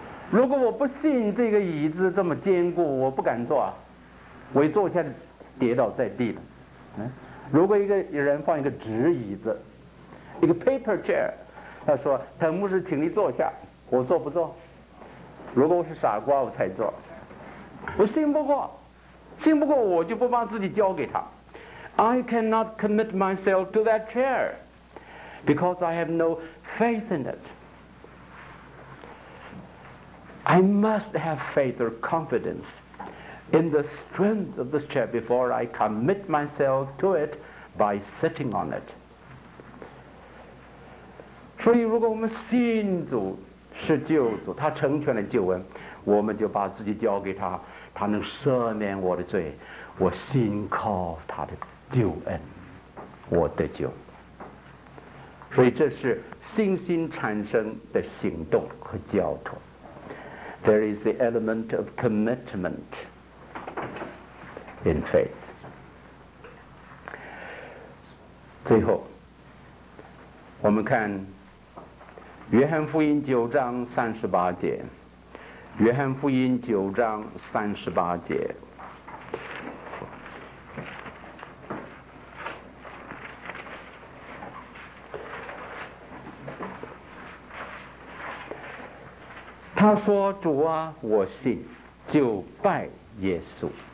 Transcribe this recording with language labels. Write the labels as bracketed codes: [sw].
[zh] 如果我不信这个椅子这么坚固，我不敢坐，我一坐下跌倒在地了。如果一个人放一个纸椅子，一个 paper chair， 他说藤牧师请你坐下，我坐不坐？如果我是傻瓜我才坐，我信不过，信不过我就不把自己交给他。 [en] I cannot commit myself to that chair because I have no faith in itI must have faith or confidence in the strength of this chair before I commit myself to it by sitting on it. [zh] 所以如果我们信主是救主，他成全了救恩，我们就把自己交给他，他能赦免我的罪，我信靠他的救恩，我得救。所以这是信心产生的行动和交托。 [en] There is the element of commitment in faith. [zh] 最后我们看约翰福音九章三十八节，约翰福音九章三十八节，他说主啊我信，就拜耶稣。